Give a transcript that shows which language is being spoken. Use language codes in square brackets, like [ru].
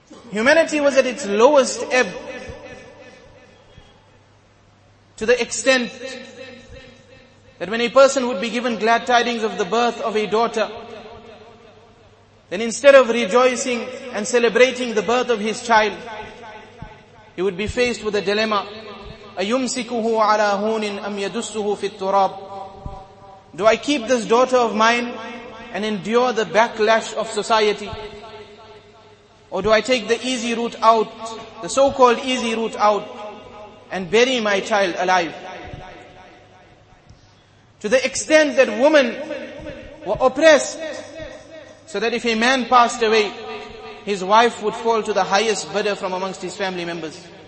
[en] Humanity was at its lowest ebb, to the extent that when a person would be given glad tidings of the birth of a daughter, then instead of rejoicing and celebrating the birth of his child, he would be faced with a dilemma. [ar] أَيُمْسِكُهُ عَلَىٰ هُونٍ أَمْ يَدُسُّهُ فِي التُّرَابِ. [en] Do I keep this daughter of mine and endure the backlash of society? Or do I take the easy route out, the so-called easy route out, and bury my child alive? To the extent that women were oppressed, so that if a man passed away, his wife would fall to the highest bidder from amongst his family members.